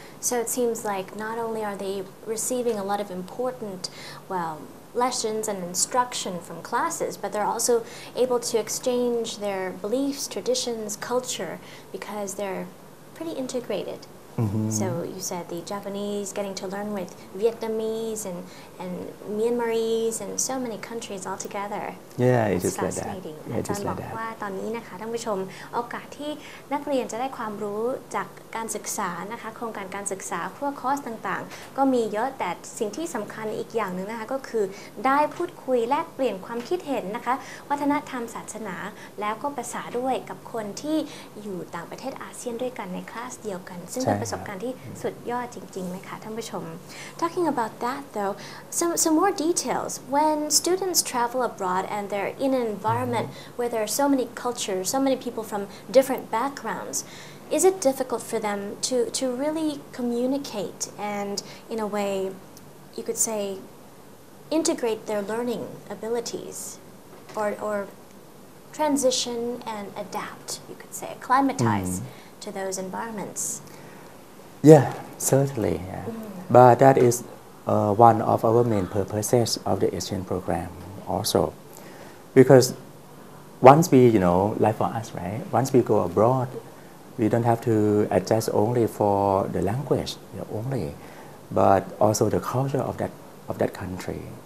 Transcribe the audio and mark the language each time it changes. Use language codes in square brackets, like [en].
[en] So it seems like not only are they receiving a lot of important, lessons and instruction from classes, but they're also able to exchange their beliefs, traditions, culture, because they're pretty integrated. So you said the Japanese getting to learn with Vietnamese and Myanmarese and so many countries all together. Yeah, it's just like that. Fascinating. [th] อาจารย์บอกว่าตอนนี้นะคะท่านผู้ชมโอกาสที่นักเรียนจะได้ความรู้จากการศึกษานะคะโครงการการศึกษาพวกคอร์สต่างๆก็มีเยอะแต่สิ่งที่สำคัญอีกอย่างนึงนะคะก็คือได้พูดคุยแลกเปลี่ยนความคิดเห็นนะคะวัฒนธรรมศาสนา แล้วก็ภาษาด้วยกับคนที่อยู่ต่างประเทศอาเซียนด้วยกันในคลาสเดียวกันซึ่งประสบการณ์ที่สุดยอดจริงๆไหมคะท่านผู้ชม [en] Talking about that though some more details when students travel abroad and they're in an environment where there are so many cultures so many people from different backgroundsIs it difficult for them to really communicate and, in a way, you could say, integrate their learning abilities or transition and adapt, you could say, acclimatize to those environments? Yeah, certainly. Yeah. But that is one of our main purposes of the ASEAN program also. Because once we, like for us, right, once we go abroad,We don't have to adjust only for the language only, but also the culture of that country.